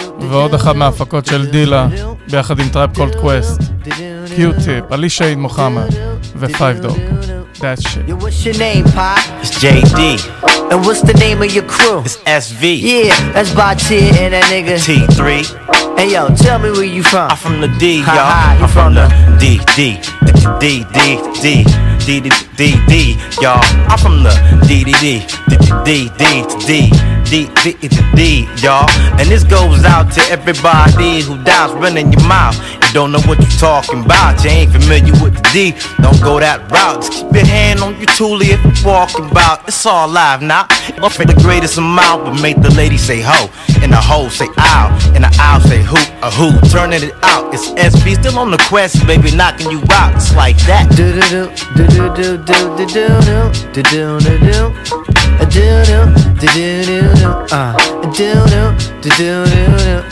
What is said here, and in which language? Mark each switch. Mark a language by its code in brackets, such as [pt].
[he] ועוד אחד מההפקות של דילה ביחד עם טראפ קולד קווסט, קיוטיפ, עלי שייד מוחמד ופייב דוג. [en] That shit. Yo, what's your name, Pop? It's JD. And what's the name of your crew? It's SV. Yeah, that's Bartier and that nigga T3. Hey yo, tell me where you from. I'm from the D, y'all. I'm from the D, y'all. I'm from the D, y'all. And this goes out to everybody who dies running your mouth. Don't know what you're talking about. You ain't familiar with the D. Don't go that route. Just keep your hand on your toolie if you're walking about. It's all live now. I'll pay the greatest amount, but make the lady say ho, and the ho say ow, and the ow say who, a who. Turning it out. It's SB still on the quest, baby, knocking you out. It's like that. Do do do do do do do do do do do do do do do do do do do do do do do do do do.